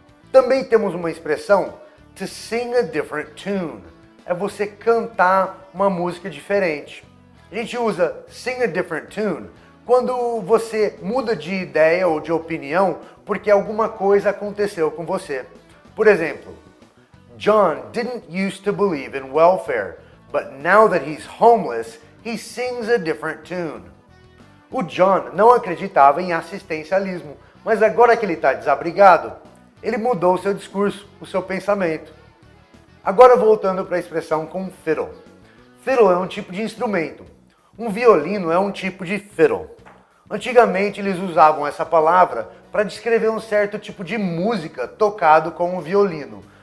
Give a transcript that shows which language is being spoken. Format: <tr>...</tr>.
<pt>Também temos uma expressão, to sing a different tune. É você cantar uma música diferente. A gente usa sing a different tune quando você muda de ideia ou de opinião porque alguma coisa aconteceu com você. Por exemplo,</pt> <en>John didn't used to believe in welfare, but now that he's homeless, he sings a different tune.</en> <pt>O John não acreditava em assistencialismo, mas agora que ele está desabrigado, ele mudou o seu discurso, o seu pensamento. Agora voltando para a expressão com fiddle. Fiddle é um tipo de instrumento. Um violino é um tipo de fiddle. Antigamente eles usavam essa palavra para descrever um certo tipo de música tocado com um violino.</pt>